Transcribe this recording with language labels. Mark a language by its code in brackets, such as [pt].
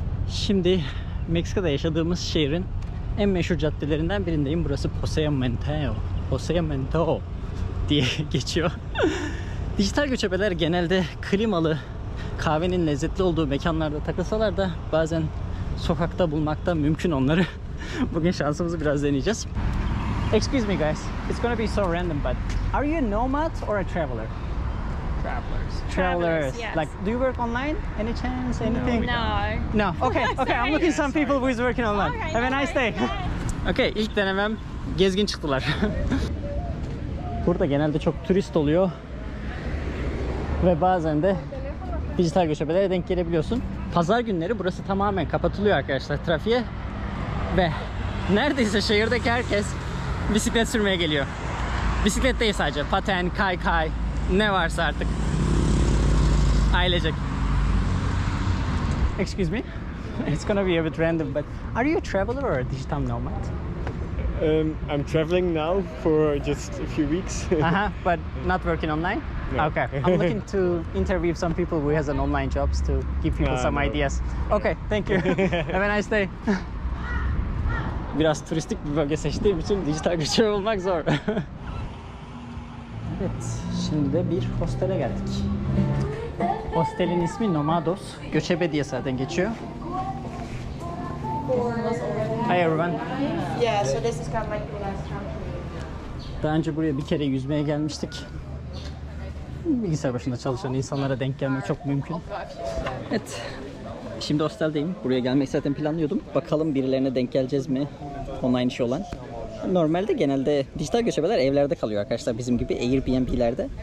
[tr] Şimdi Meksika'da yaşadığımız şehrin en meşhur caddelerinden birindeyim. Burası Poseamento diye geçiyor. Dijital göçebeler genelde klimalı, kahvenin lezzetli olduğu mekanlarda takılsalar da bazen sokakta bulmakta mümkün onları. Bugün şansımızı biraz deneyeceğiz. [en] Excuse me guys, it's gonna be so random, but are you a nomad or a traveler? Travelers. Yes. Like, do you work online? Any chance? Anything? No. Okay. Okay. I'm looking some people who is working online. Right, have a nice day. [tr] Okay. İlk denemem. Gezgin çıktılar. Burada genelde çok turist oluyor ve bazen de dijital göçebelere denk gelebiliyorsun. Pazar günleri burası tamamen kapatılıyor arkadaşlar trafiğe ve neredeyse şehirdeki herkes bisiklet sürmeye geliyor. Bisiklet değil sadece. Paten, kay. Ne varsa artık. Ailecek. [en] Excuse me? It's gonna be a bit random, but are you a traveler or a digital nomad? I'm traveling now for just a few weeks. But not working online? No. Okay. I'm looking to interview some people who has an online jobs to give people ideas. Okay, thank you. Have a nice day. [tr] Biraz turistik bir bölge seçtiğim için dijital göçebe olmak zor. Evet, şimdi de bir hostele geldik. Hostelin ismi Nomados, göçebe diye zaten geçiyor. [en] Hi everyone. Yeah, so this is kind of like the last time. [tr] Daha önce buraya bir kere yüzmeye gelmiştik. Bilgisayar başında çalışan insanlara denk gelmek çok mümkün. Evet, şimdi hosteldeyim. Buraya gelmek zaten planlıyordum. Bakalım birilerine denk geleceğiz mi? Online işi olan. Normalde genelde dijital göçebeler evlerde kalıyor arkadaşlar bizim gibi Airbnb'lerde.